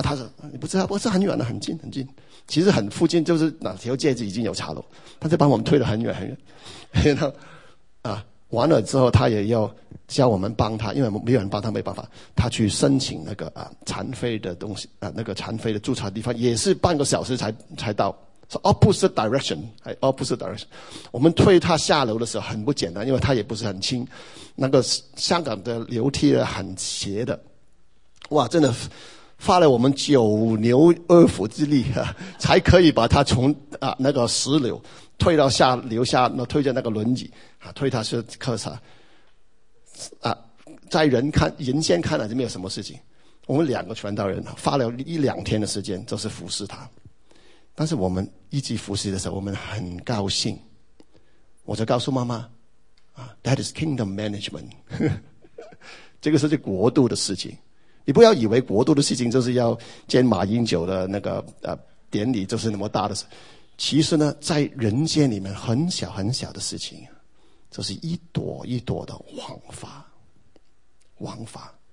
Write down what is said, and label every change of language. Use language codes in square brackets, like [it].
[zh] 他说你不知道，不是很远的，很近很近，其实很附近，就是哪条街已经有茶楼，他就把我们推得很远很远。然后完了之后，他也要叫我们帮他，因为没有人帮他没办法，他去申请那个残废的东西那个残废的注册地方，也是半个小时才到。 [en] So opposite direction, opposite direction. [zh] 我们推他下楼的时候很不简单，因为他也不是很轻，那个香港的楼梯很斜的，哇，真的花了我们九牛二虎之力，才可以把他从那个十楼推到下楼下，那推着那个轮椅，推他是客舍在人间看来就没有什么事情。我们两个传道人花了一两天的时间就是服侍他，但是我们一起服侍的时候，我们很高兴。我就告诉妈妈 [en] That is kingdom management. [zh] 这个是这国度的事情。你不要以为国度的事情就是要见马英九的那个典礼就是那么大的事。其实呢，在人间里面很小很小的事情，就是一朵一朵的王法。王法。